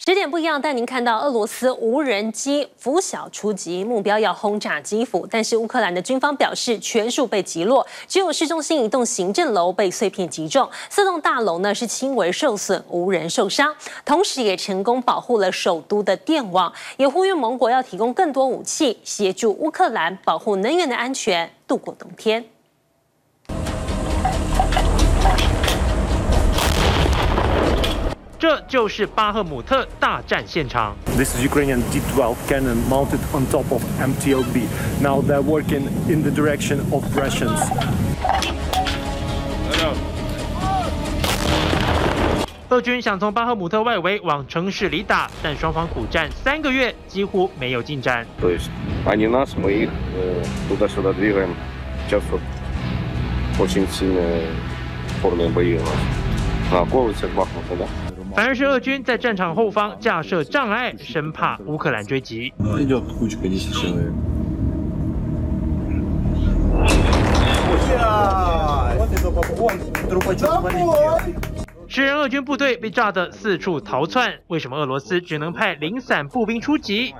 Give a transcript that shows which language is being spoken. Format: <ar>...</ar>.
<zh>十点不一样，带您看到俄罗斯无人机拂晓出击，目标要轰炸基辅，但是乌克兰的军方表示全数被击落，只有市中心一栋行政楼被碎片击中，四栋大楼呢是轻微受损，无人受伤，同时也成功保护了首都的电网，也呼吁盟国要提供更多武器协助乌克兰保护能源的安全，度过冬天。这就是巴赫姆特大战现场。</zh> <en>This is Ukrainian D-12 cannon mounted on top of MTLB. Now they're working in the direction of Russians.</en> <zh>俄军想从巴赫姆特外围往城市里打，但双方苦战三个月，几乎没有进展。</zh> <ru>То есть они нас, мы их туда-сюда двигаем. Сейчас вот очень сильные формы боев у нас. А колется Бахмута, да?</ru> <zh>反而是俄军在战场后方架设障碍，生怕乌克兰追击。是人俄军部队被炸得四处逃窜，为什么俄罗斯只能派零散步兵出击？</zh>